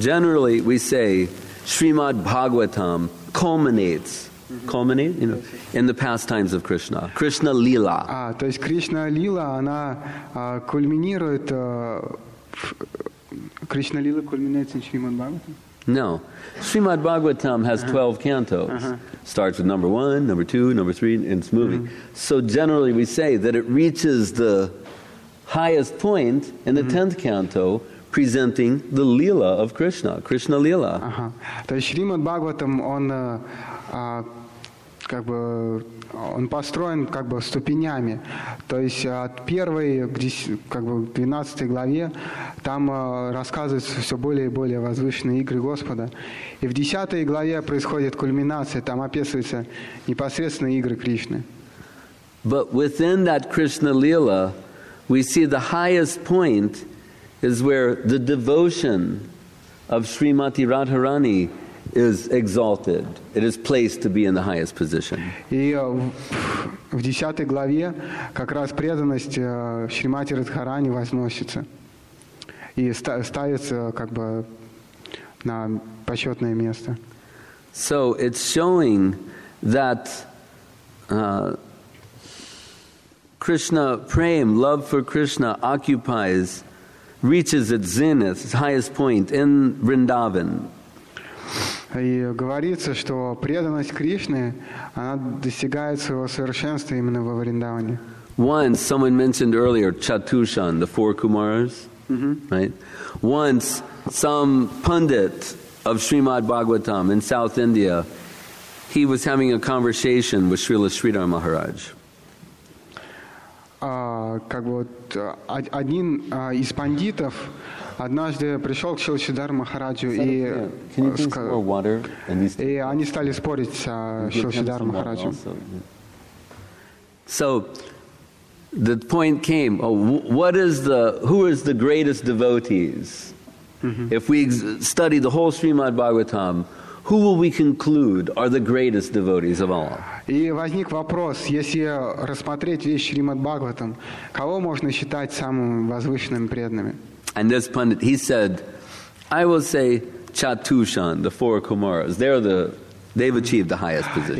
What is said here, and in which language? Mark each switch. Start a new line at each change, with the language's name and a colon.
English: Generally, we say Srimad Bhagavatam culminates, you know, in the pastimes of Krishna, Krishna Lila.
Russian: То есть Кришна Лила, она кульминирует, Кришна Лила кульминируется в Шримад Бхагаватам?
English: No. Srimad Bhagavatam has 12 cantos. Starts with number one, number two, number three, and it's moving. So generally we say that it reaches the highest point in the 10th canto, presenting the Lila of Krishna, Krishna Lila.
Russian: То есть Шримад Бхагаватам, он как бы он построен как бы ступенями. То есть от первой к как бы 12 главе там рассказываются все более и более возвышенные игры Господа. И в 10 главе происходит кульминация, там описываются непосредственно игры Кришны.
English: But within that Krishna Lila, we see the highest point is where the devotion of Srimati Radharani is exalted. It is placed to be in the highest position.
Russian: И в 10 главе как раз преданность Шримати Радхарани возносится и ставится как бы на почетное место.
English: So it's showing that Krishna Prem, love for Krishna, occupies, reaches its zenith, its highest point in Vrindavan.
Russian: И говорится, что преданность Кришне, она достигает своего совершенства именно во Вриндаване.
English: Once someone mentioned earlier Chatushan, the four Kumaras, right? Once some pundit of Srimad Bhagavatam in South India, he was having a conversation with Srila Sridhar Maharaj.
Russian: Как вот один из пандитов однажды пришел к Шрила Сридхара Махараджу и они стали спорить с Шрила Сридхара Махараджу.
English: So the point came, who is the greatest devotees? If we study the whole Srimad Bhagavatam, who will we conclude are the greatest devotees of all?
Russian: И возник вопрос, если рассмотреть весь Шримад Бхагаватам, кого можно считать самым возвышенным преданными?
English: And this pundit, he said, I will say Chatushan, the four Kumaras, they've achieved the highest position.